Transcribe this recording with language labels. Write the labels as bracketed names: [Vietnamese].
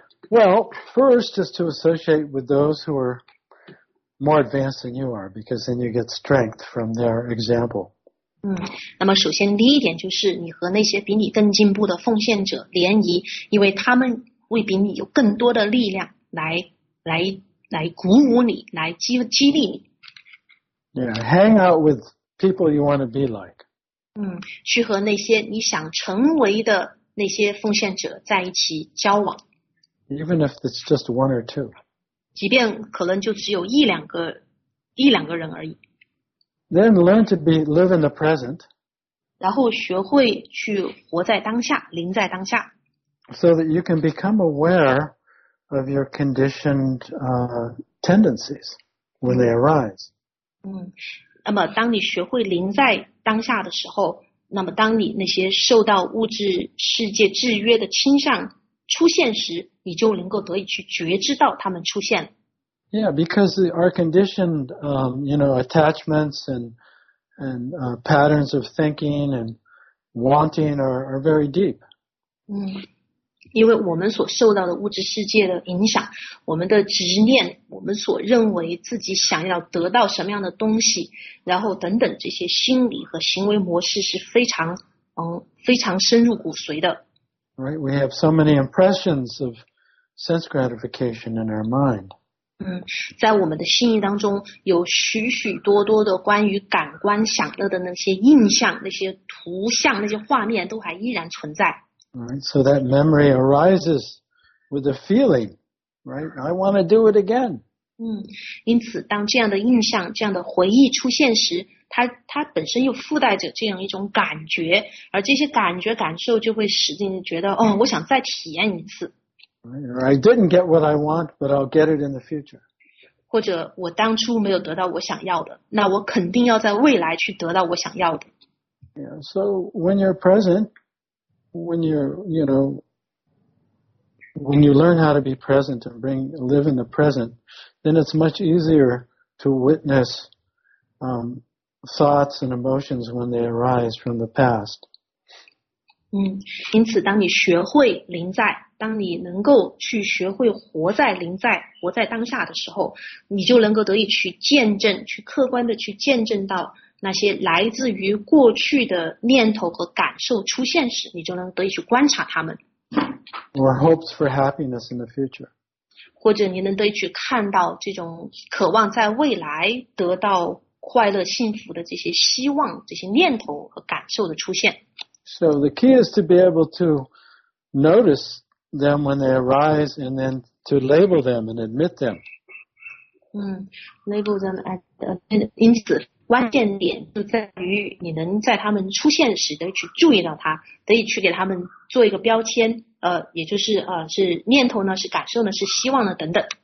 [English] Well, first is to associate with those who are more advanced than you are, because then you get strength from their example. [Chinese] 那么首先第一点就是你和那些比你更进步的奉献者联谊，因为他们会比你有更多的力量来鼓舞你，来激励你。 [English] Yeah, hang out with people you want to be like. [Chinese] 去和那些你想成为的那些奉献者在一起交往。 [English] Even if it's just one or two. [Chinese] 即便可能就只有一两个人而已。 [English] Then learn to live in the present. [Chinese] 然后学会去活在当下，临在当下。 [English] So that you can become aware of your conditioned tendencies when they arise. [Chinese] 那么当你学会临在当下的时候，那么当你那些受到物质世界制约的倾向出现时，你就能够得以去觉知到它们出现了。 [English] Yeah, because our conditioned, attachments and patterns of thinking and wanting are very deep. [Chinese] 因为我们所受到的物质世界的影响，我们的执念，我们所认为自己想要得到什么样的东西，然后等等这些心理和行为模式是非常非常深入骨髓的。 [English] Right, we have so many impressions of sense gratification in our mind. [Chinese] 在我们的心意当中有许许多多的关于感官享乐的那些印象，那些图像，那些画面都还依然存在。 [English] Right, so that memory arises with a feeling, right? I want to do it again. [Chinese] 因此当这样的印象，这样的回忆出现时，它本身又附带着这样一种感觉，而这些感觉感受就会使劲觉得，我想再体验一次。 [English] I didn't get what I want, but I'll get it in the future. [Chinese] 或者我当初没有得到我想要的，那我肯定要在未来去得到我想要的。 [English] Yeah, so when you're present, when you're, when you learn how to be present and live in the present, then it's much easier to witness thoughts and emotions when they arise from the past. [Chinese] 因此当你学会临在，当你能够去学会活在临在，活在当下的时候，你就能够得以去见证，去客观的去见证到那些来自于过去的念头和感受出现时，你就能得以去观察他们。 [English] Or hopes for happiness in the future. [Chinese] 或者你能得以去看到这种渴望在未来得到快乐幸福的这些希望，这些念头和感受的出现。 [English] So the key is to be able to notice them when they arise and then to label them and admit them. Label them as in [Chinese] 此关键点就在于你能在他们出现时得去注意到它，得以去给他们做一个标签，也就是是念头呢，是感受呢，是希望呢等等。